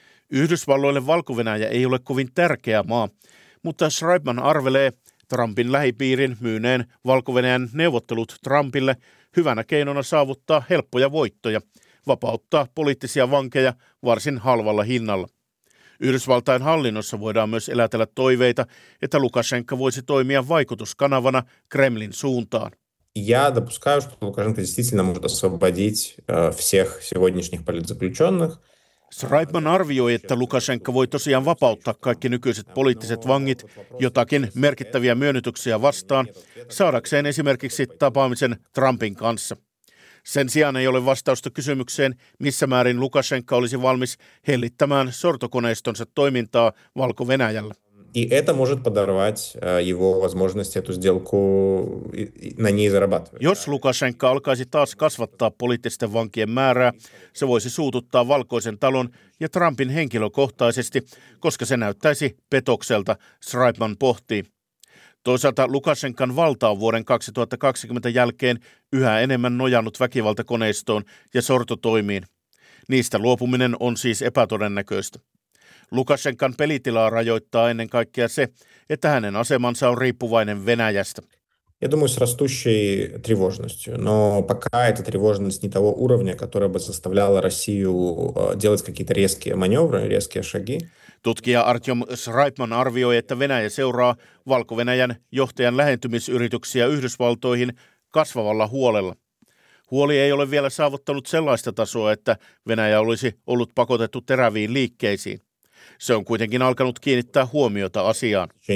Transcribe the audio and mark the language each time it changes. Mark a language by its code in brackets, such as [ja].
[fi] Yhdysvalloille Valko-Venäjä ei ole kovin tärkeä maa, mutta Shraipman arvelee Trumpin lähipiirin myyneen Valko-Venäjän neuvottelut Trumpille hyvänä keinona saavuttaa helppoja voittoja, vapauttaa poliittisia vankeja varsin halvalla hinnalla. Yhdysvaltain hallinnossa voidaan myös elätellä toiveita, että Lukashenka voisi toimia vaikutuskanavana Kremlin suuntaan. [ru] Я допускаю, что Лукашенко действительно может освободить всех сегодняшних политзаключенных. [fi] Shraipman arvioi, että Lukashenka voi tosiaan vapauttaa kaikki nykyiset poliittiset vangit jotakin merkittäviä myönnytyksiä vastaan, saadakseen esimerkiksi tapaamisen Trumpin kanssa. Sen sijaan ei ole vastausta kysymykseen, missä määrin Lukashenka olisi valmis hellittämään sortokoneistonsa toimintaa Valko-Venäjällä. [ru] И это может подорвать его возможности эту сделку на ней зарабатывать. [fi] Jos Lukashenka alkaisi taas kasvattaa poliittisten vankien määrää, se voisi suututtaa Valkoisen talon ja Trumpin henkilökohtaisesti, koska se näyttäisi petokselta, Shraipman pohtii. Toisaalta Lukashenkan valta on vuoden 2020 jälkeen yhä enemmän nojannut väkivaltakoneistoon ja sortotoimiin. Niistä luopuminen on siis epätodennäköistä. Lukashenkan pelitilaa rajoittaa ennen kaikkea se, että hänen asemansa on riippuvainen Venäjästä. [ru] Я думаю, с растущей тревожностью, но пока эта тревожность не того уровня, которая бы заставляла Россию делать какие-то резкие маневры, резкие шаги. [fi] Tutkija Artyom Shraipman arvioi, että Venäjä seuraa Valko-Venäjän johtajan lähentymisyrityksiä Yhdysvaltoihin kasvavalla huolella. Huoli ei ole vielä saavuttanut sellaista tasoa, että Venäjä olisi ollut pakotettu teräviin liikkeisiin. Se on kuitenkin alkanut kiinnittää huomiota asiaan.